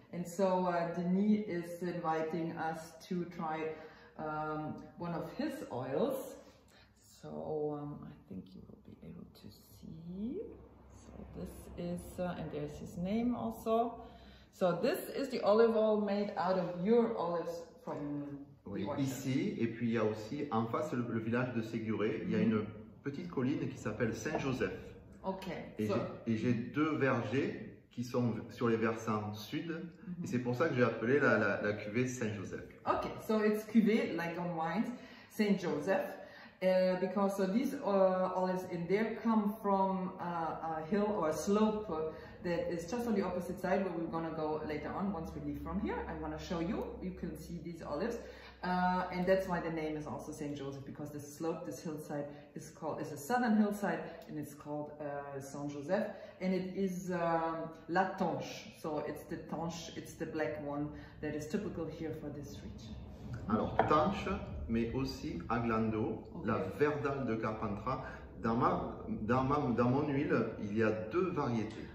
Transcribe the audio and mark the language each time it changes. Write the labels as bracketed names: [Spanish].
[English] And so Denis is inviting us to try one of his oils. So I think you will be able to see. So this is, and there's his name also. So this is the olive oil made out of your olives from... [French] Oui, ici, et puis il y a aussi en face le village de Séguré, il y a une petite colline qui s'appelle Saint-Joseph. Ok. J'ai deux vergers qui sont sur les versants sud, mm-hmm. et c'est pour ça que j'ai appelé la cuvée Saint-Joseph. [English] Ok, so it's cuvée, like on wines, Saint-Joseph. Because so these olives in there come from a hill or a slope that is just on the opposite side where we're gonna go later on once we leave from here. I'm gonna show you, you can see these olives. And that's why the name is also St. Joseph, because the slope, this hillside is called, is a southern hillside, and it's called Saint Joseph, and it is La Tanche. So it's the Tanche, it's the black one that is typical here for this region. [French] Alors, Tanche, mais aussi Aglando, okay. La Verdale de Carpentras. Dans mon huile, il y a deux variétés.